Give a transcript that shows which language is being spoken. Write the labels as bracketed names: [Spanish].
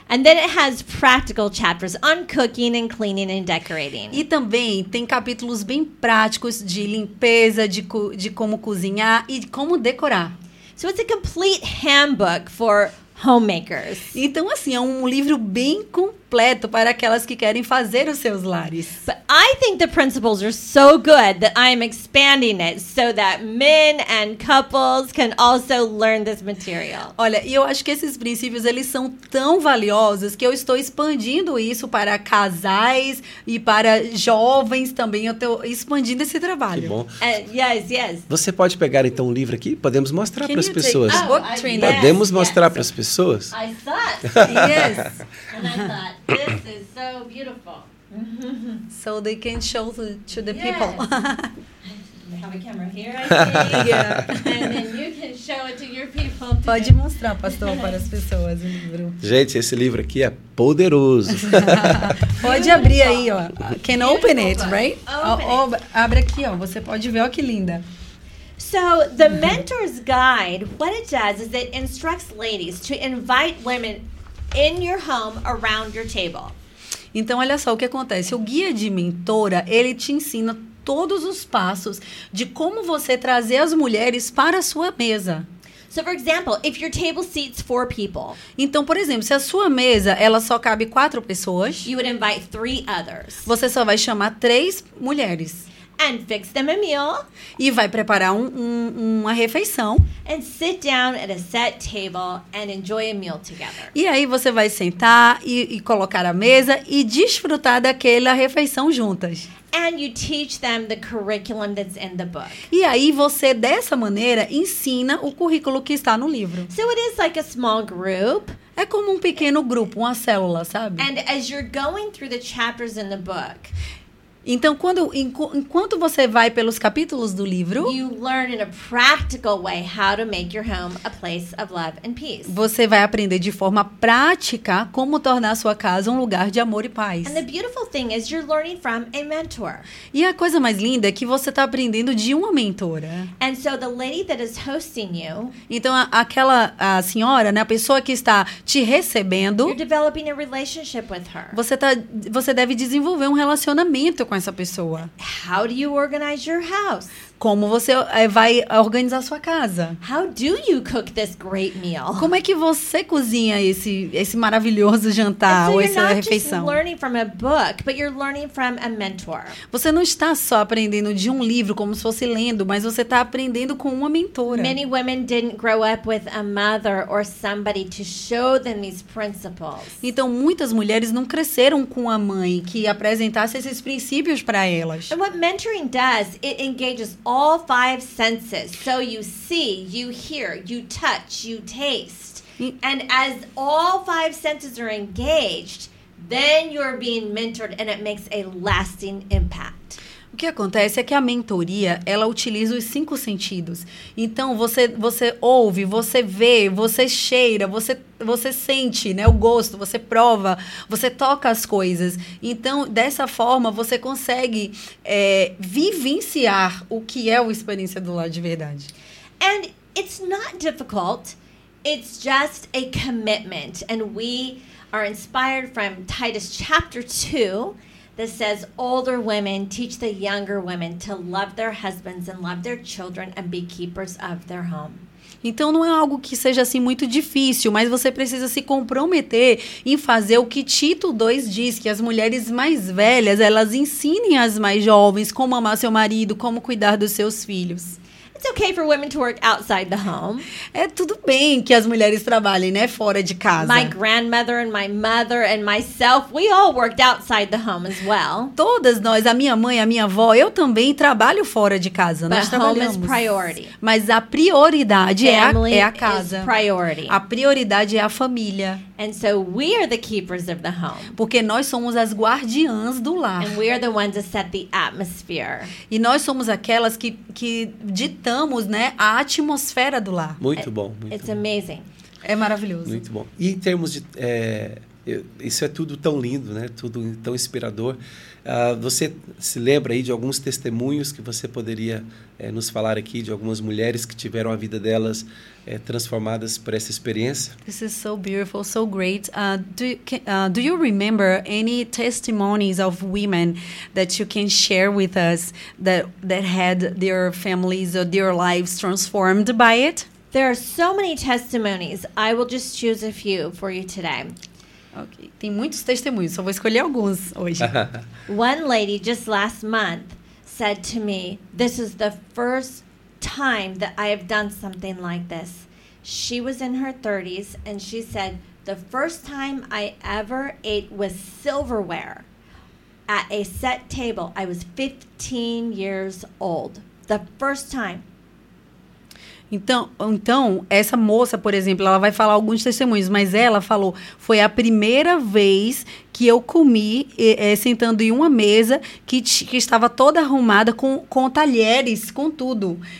[English] And then it has practical chapters on cooking and cleaning and decorating. [Portuguese] E também tem capítulos bem práticos de limpeza, de como cozinhar e como decorar. [English] So it's a complete handbook for homemakers. [Portuguese] Então, assim, é livro bem completo para aquelas que querem fazer os seus lares. [English] But I think the principles are so good that I'm expanding it so that men and couples can also learn this material. [Portuguese] Olha, e eu acho que esses princípios, eles são tão valiosos que eu estou expandindo isso para casais e para jovens também. Eu estou expandindo esse trabalho. Que bom. [English] Yes, yes. [Portuguese] Você pode pegar, então, um livro aqui? Podemos mostrar para as pessoas. Oh, podemos mostrar para as pessoas? [English] I thought. Yes. And I thought, this is so beautiful. So they can show to the people. We have a camera here, I think. And then you can show it to your people. [Portuguese] Pode mostrar, pastor, para as pessoas o livro. Gente, esse livro aqui é poderoso. Pode abrir aí, ó. [English] Can open it, right? Open. [Portuguese] Abre aqui, ó. Você pode ver, ó, que linda. [English] So the mentor's guide, what it does is it instructs ladies to invite women in your home around your table. [Portuguese] Então, olha só o que acontece. O guia de mentora, ele te ensina todos os passos de como você trazer as mulheres para a sua mesa. [English] So, for example, if your table seats 4 people. [Portuguese] Então, por exemplo, se a sua mesa, ela só cabe 4 pessoas. [English] You would invite 3 others. [Portuguese] Você só vai chamar 3 mulheres. [English] And fix them a meal. [Portuguese] E vai preparar uma refeição. [English] And sit down at a set table and enjoy a meal together. [Portuguese] E aí você vai sentar e colocar a mesa e desfrutar daquela refeição juntas. [English] And you teach them the curriculum that's in the book. [Portuguese] E aí você, dessa maneira, ensina o currículo que está no livro. [English] So it is like a small group. [Portuguese] É como um pequeno grupo, uma célula, sabe? [English] And as you're going through the chapters in the book. [Portuguese] Então, enquanto você vai pelos capítulos do livro, [English] you learn in a practical way how to make your home a place of love and peace. [Portuguese] Você vai aprender de forma prática como tornar a sua casa um lugar de amor e paz. [English] And the beautiful thing is you're learning from a mentor. [Portuguese] E a coisa mais linda é que você está aprendendo de uma mentora. [English] And so the lady that is hosting you, [Portuguese] então, a senhora, né, a pessoa que está te recebendo, [English] you're developing a relationship with her. [Portuguese] Você deve desenvolver um relacionamento com essa pessoa. [English] How do you organize your house? [Portuguese] como você vai organizar sua casa. [English] How do you cook this great meal? [Portuguese] Como é que você cozinha esse maravilhoso jantar [English] so [Portuguese] ou essa refeição? [English] Just learning from a book, but you're learning from a mentor. [Portuguese] Você não está só aprendendo de um livro como se fosse lendo, mas você está aprendendo com uma mentora. [English] Many women didn't grow up with a mother or somebody to show them these principles. [Portuguese] Então muitas mulheres não cresceram com a mãe que apresentasse esses princípios para elas. [English] And what mentoring does, it engages all five senses. So you see, you hear, you touch, you taste. And as all five senses are engaged, then you're being mentored and it makes a lasting impact. [Portuguese] O que acontece é que a mentoria, ela utiliza os cinco sentidos. Então, você ouve, você vê, você cheira, você sente, né, o gosto, você prova, você toca as coisas. Então, dessa forma, você consegue vivenciar o que é a experiência do lar de verdade. [English] And it's not difficult, it's just a commitment. And we are inspired from Titus chapter 2, that says older women teach the younger women to love their husbands and love their children and be keepers of their home. [Portuguese] Então não é algo que seja assim muito difícil, mas você precisa se comprometer em fazer o que Tito 2 diz, que as mulheres mais velhas, elas ensinem as mais jovens como amar seu marido, como cuidar dos seus filhos. [English] It's okay for women to work outside the home. [Portuguese] É tudo bem que as mulheres trabalhem, né, fora de casa. [English] My grandmother and my mother and myself, we all worked outside the home as well. [Portuguese] Todas nós, a minha mãe, a minha avó, eu também trabalho fora de casa. [English] But [Portuguese] nós trabalhamos. [English] Home is priority. [Portuguese] Mas a prioridade é a casa. [English] Is priority. [Portuguese] A prioridade é a família. [English] And so we are the keepers of the home. [Portuguese] Porque nós somos as guardiãs do lar. [English] And we are the ones that set the atmosphere. [Portuguese] E nós somos aquelas que ditamos, né, a atmosfera do lar. Muito bom. Muito [English] It's amazing. [Portuguese] É maravilhoso. Muito bom. E em termos de... isso é tudo tão lindo, né? Tudo tão inspirador. Você se lembra aí de alguns testemunhos que você poderia nos falar aqui de algumas mulheres que tiveram a vida delas transformadas por essa experiência? [English] This is so beautiful, so great. Do you remember any testimonies of women that you can share with us that had their families or their lives transformed by it? There are so many testimonies. I will just choose a few for you today. Okay. [Portuguese] Tem muitos testemunhos, só vou escolher alguns hoje. [English] One lady just last month said to me, "This is the first time that I have done something like this." She was in her 30s and she said, "The first time I ever ate with silverware at a set table, I was 15 years old. The first time." [Portuguese] Então, essa moça, por exemplo, ela vai falar alguns testemunhos, mas ela falou, foi a primeira vez que eu comi sentando em uma mesa que estava toda arrumada com talheres, com tudo.